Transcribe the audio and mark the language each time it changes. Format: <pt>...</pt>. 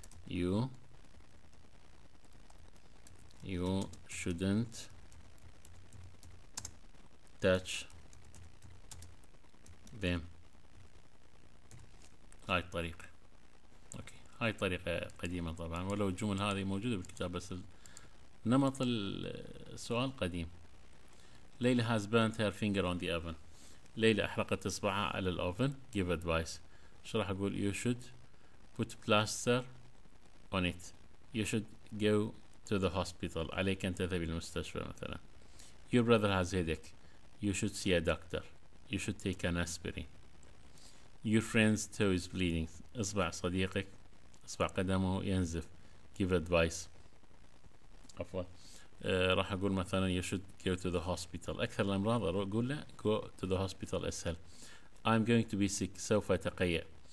<en>you shouldn't touch them.</en> <ar>هاي الطريقة. اوكي، هاي طريقة قديمة طبعا، ولو الجمل هذه موجودة بالكتاب بس نمط السؤال قديم.</ar> <en>ليلى has burnt her finger on the oven.</en> <ar>ليلى احرقت اصبعها على الاوفن.</ar> <en>give advice.</en> <ar>ايش راح اقول؟</ar> <en>you should put plaster on it. you should go to the hospital.</en> <ar>عليك ان تذهب الى المستشفى مثلا.</ar> <en>your brother has headache. you should see a doctor. you should take an aspirin. your friend's toe is bleeding.</en> <ar>اصبع صديقك، اصبع قدمه ينزف.</ar> <en>give advice.</en> <ar>عفوا، راح اقول مثلا</ar> <en>you should go to the hospital.</en> <ar>اكثر الامراض اقول له</ar> <en>go to the hospital</en> <ar>اسهل.</ar> <en>I'm going to be sick.</en> <ar>سوف اتقيأ.</ar>